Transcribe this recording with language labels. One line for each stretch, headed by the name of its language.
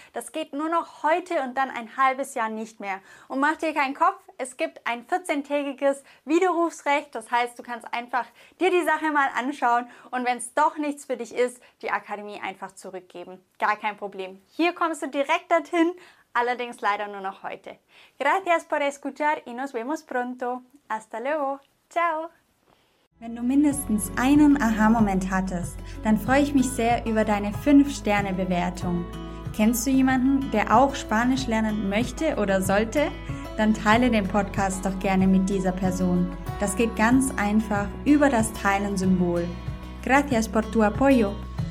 German: Das geht nur noch heute und dann ein halbes Jahr nicht mehr. Und mach dir keinen Kopf, es gibt ein 14-tägiges Widerrufsrecht. Das heißt, du kannst einfach dir die Sache mal anschauen und wenn es doch nichts für dich ist, die Akademie einfach zurückgeben. Gar kein Problem. Hier kommst du direkt dorthin. Allerdings leider nur noch heute.
Spanish: Gracias por escuchar y nos vemos pronto. Hasta luego. Ciao.
German: Wenn du mindestens einen Aha-Moment hattest, dann freue ich mich sehr über deine 5-Sterne-Bewertung. Kennst du jemanden, der auch Spanisch lernen möchte oder sollte? Dann teile den Podcast doch gerne mit dieser Person. Das geht ganz einfach über das Teilen-Symbol.
Spanish: Gracias por tu apoyo.